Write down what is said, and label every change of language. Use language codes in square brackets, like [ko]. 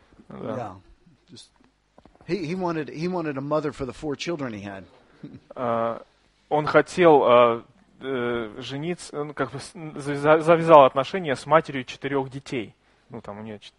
[ru] Да. Yeah. [en] He wanted a mother for the 4 children he had. [ru] Он хотел жениться, он как бы завязал отношения с матерью 4 детей. Ну там у неё.